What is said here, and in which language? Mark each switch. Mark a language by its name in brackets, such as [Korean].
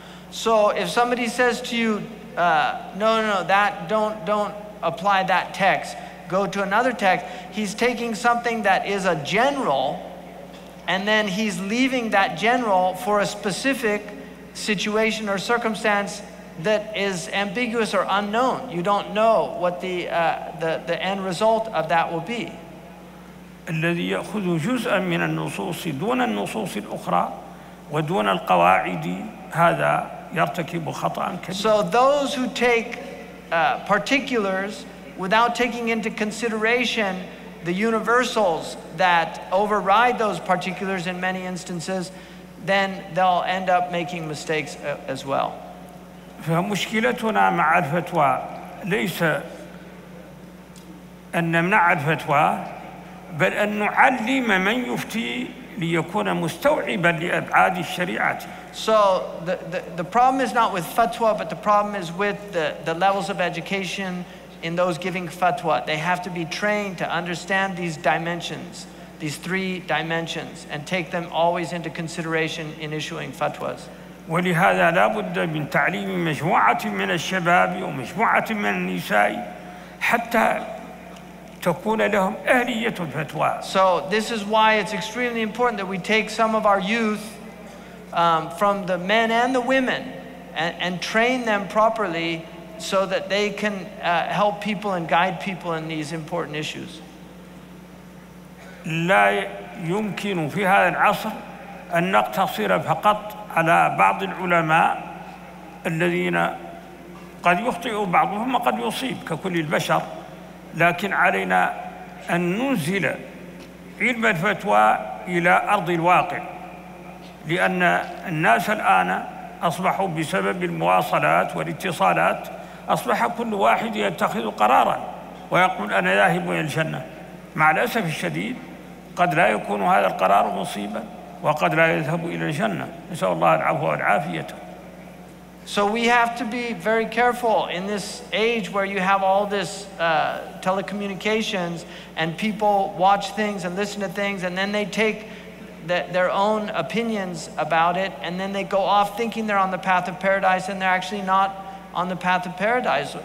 [English] So if somebody says to you, don't apply that text, go to another text, he's taking something that is a general and then he's leaving that general for a specific situation or circumstance that is ambiguous or unknown. You don't know what the end result of that will be. [Arabic] الذي يأخذ جزءا من النصوص دون النصوص الأخرى ودون القواعد هذا يرتكب خطأ كبير. [English] So those who take particulars without taking into consideration the universals that override those particulars in many instances, then they'll end up making mistakes as well. [Arabic] فمشكلتنا مع الفتوى ليس أن نمنع الفتوى بل أن نعلم من يفتي ليكون مستوعبا لأبعاد الشريعة. [English] So the problem is not with fatwa, but the problem is with the levels of education in those giving fatwa. They have to be trained to understand these dimensions, these three dimensions, and take them always into consideration in issuing fatwas. [Arabic] ولهذا لا بد من تعليم مجموعة من الشباب ومجموعة من النساء حتى تكون لهم أهلية الفتوى. [English] So this is why it's extremely important that we take some of our youth from the men and the women and train them properly so that they can help people and guide people in these important issues. [Arabic] لا يمكن في هذا العصر أن نقتصر فقط على بعض العلماء الذين قد يخطئ بعضهم وقد يصيب ككل البشر. لكن علينا أن ننزل علم الفتوى إلى أرض الواقع لأن الناس الآن أصبحوا بسبب المواصلات والاتصالات أصبح كل واحد يتخذ قرارا ويقول أنا ذاهب إلى الجنة مع الأسف الشديد قد لا يكون هذا القرار مصيبا وقد لا يذهب إلى الجنة نسأل الله العفو والعافية. [English] So we have to be very careful in this age where you have all this telecommunications and people watch things and listen to things and then they take their own opinions about it and then they go off thinking they're on the path of paradise and they're actually not on the path of paradise.